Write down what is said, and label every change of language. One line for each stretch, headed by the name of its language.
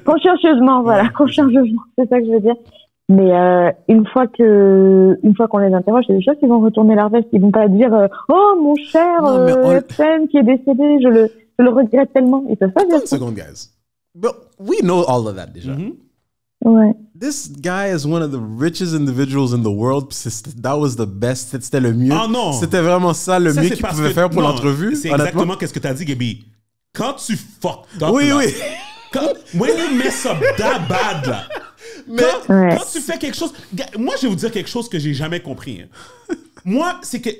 French: Consciencieusement, voilà, ouais. Consciencieusement, c'est ça que je veux dire. Mais une fois qu'on les interroge, c'est des choses qu'ils vont retourner leur veste. Ils vont pas dire « Oh, mon cher Epstein qui est décédé, je le regrette tellement. » Ils peuvent pas dire ça.
English: One second, guys. But we know all of that déjà.
French: Mm-hmm. Ouais.
English: This guy is one of the richest individuals in the world. That was the best.
French: C'était le mieux. Oh, non. C'était vraiment ça le mieux qu'il pouvait faire pour l'entrevue. C'est exactement ce que tu as dit, Gabby. Quand tu fucked up. Oui, là, oui.
English: When you mess up that bad, là.
French: Mais quand tu fais quelque chose... Moi, je vais vous dire quelque chose que j'ai jamais compris. Moi, c'est que...